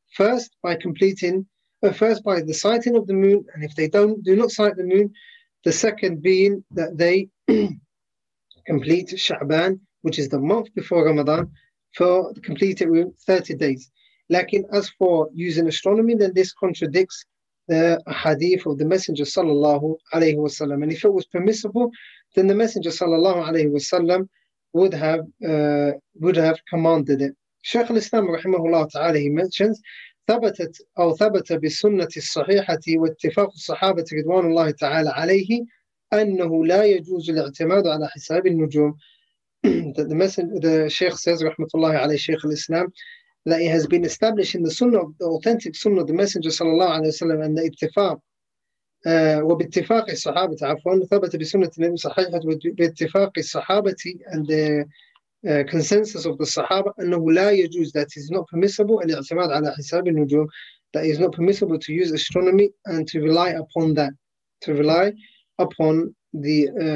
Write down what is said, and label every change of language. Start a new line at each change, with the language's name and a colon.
English: First, by completing, first by the sighting of the moon, and if they do not sight the moon, the second being that they complete Sha'ban, which is the month before Ramadan, for complete it with 30 days. Lakin, as for using astronomy, then this contradicts the hadith of the Messenger sallallahu alayhi wa sallam. And if it was permissible, then the Messenger sallallahu alayhi wa sallam would have commanded it.
Arabic: Shaykh al-Islam rahimahullah ta'ala,
English: he mentions,
Arabic: ثبتت أو ثبت بالسنة الصحيحة واتفاق الصحابة رضوان الله تعالى عليه أنه لا يجوز الاعتماد على حساب النجوم.
English: The Sheikh says, rahmatullahi alayhi, Sheikh al-Islam, that it has been established in the Sunnah, the authentic Sunnah of the Messenger sallallahu alayhi wa sallam, and the ittifaq,
Arabic: وباتفاق الصحابة, عفوا, ثبت بسنة صحيحة باتفاق الصحابة
English: and the consensus of the Sahaba,
Arabic: أنه لا يجوز,
English: that is not permissible,
Arabic: الاعتماد على حساب النجوم,
English: that is not permissible to use astronomy and to rely upon that, to rely upon the